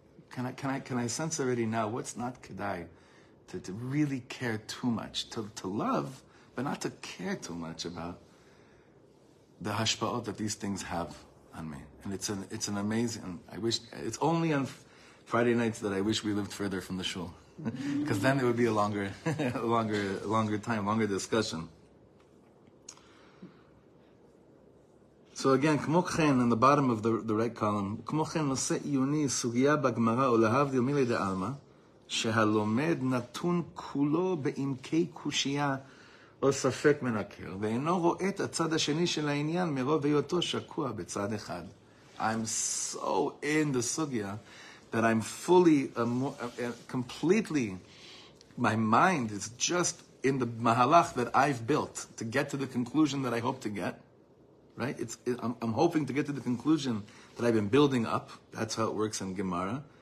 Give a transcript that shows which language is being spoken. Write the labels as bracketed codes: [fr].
[en] Can I sense already now what's not kedai to really care too much, to love, but not to care too much about the hashpa'ot that these things have on me? And it's an amazing, I wish, it's only on Friday nights that I wish we lived further from the shul. Because then it would be a longer, longer time, longer discussion. So again, [he] כמו כן, [en] on the bottom of the right column, [he] כמו כן נושא עיוני סוגיה בגמרא או להבדיל מילי דאלמה, שהלומד נתון כולו בעמקי קושייה או ספק מנקר, ואינו רואה את הצד השני של העניין מרוב היותו שקוע בצד אחד. [en] I'm so in the sugya that I'm fully, completely, my mind is just in the mahalach that I've built to get to the conclusion that I hope to get. Right? I'm hoping to get to the conclusion that I've been building up. That's how it works in Gemara.